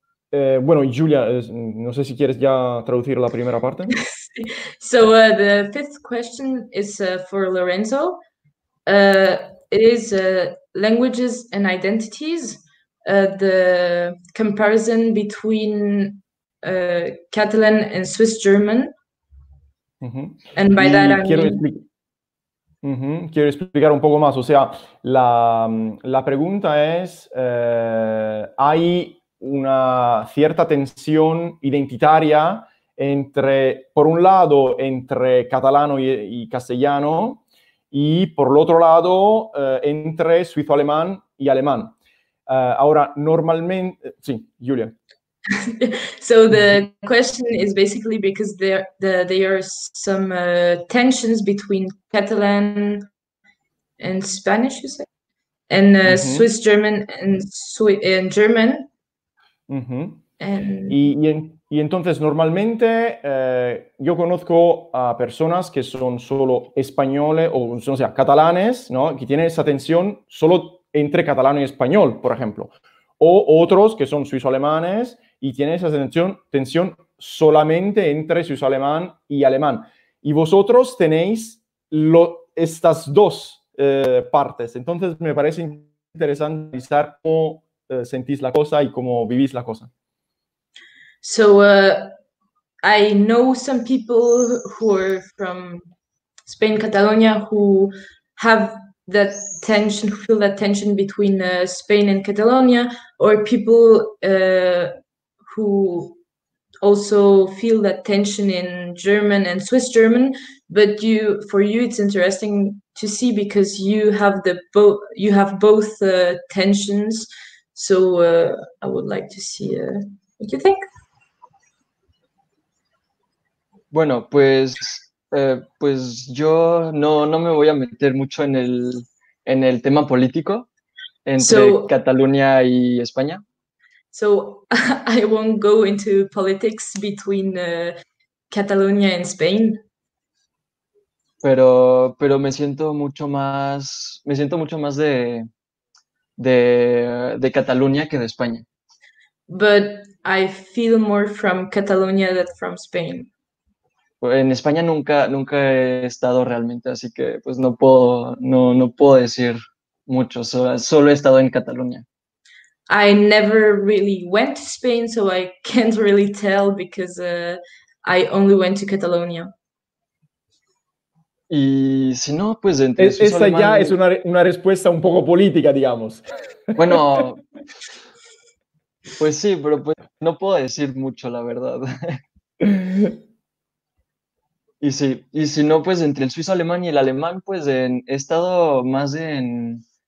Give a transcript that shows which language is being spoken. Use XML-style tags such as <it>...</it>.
<es>Bueno, Julia, no sé si quieres ya traducir la primera parte.</es> <en>So, the fifth question is for Lorenzo. It is languages and identities, the comparison between Catalan and Swiss German. Mm-hmm. And by that,</en> <es>Quiero explicar un poco más. O sea, la pregunta es, ¿hay una cierta tensión identitaria entre, por un lado, entre catalano y castellano, y por el otro lado, entre suizo-alemán y alemán. Ahora, normalmente, sí, Julia.</es> <en>So the question is basically because there are some tensions between Catalan and Spanish, you say, and Swiss German and German. Mm-hmm.</en> <es>Y entonces normalmente yo conozco a personas que son solo españoles o sea catalanes, ¿no? Que tienen esa tensión solo entre catalano y español, por ejemplo, o otros que son suizo-alemanes y tiene esa tensión solamente entre suizo-alemán y alemán. Y vosotros tenéis estas dos partes. Entonces, me parece interesante analizar cómo sentís la cosa y cómo vivís la cosa.</es> <en>So, I know some people who are from Spain, Catalonia, who have that tension, feel that tension between Spain and Catalonia, or people who also feel that tension in German and Swiss German, but for you it's interesting to see because you have both tensions. So I would like to see what you think.</en> <es>Bueno, pues yo no me voy a meter mucho en el tema político entre Cataluña y España.</es> <en>So I won't go into politics between Catalonia and Spain.</en> <es>Pero me siento mucho más de Cataluña que de España.</es> <en>But I feel more from Catalonia than from Spain.</en> <es>En España nunca he estado realmente, así que pues no puedo decir mucho. Solo he estado en Cataluña.</es> <en>I never really went to Spain, so I can't really tell because I only went to Catalonia.</en> <es>Y si no, pues entre suizo alemán. Esa ya es una respuesta un poco política, digamos. Bueno, pues sí, pero pues no puedo decir mucho, la verdad. Y si no, pues entre el suizo alemán y el alemán, pues he estado más en.</es>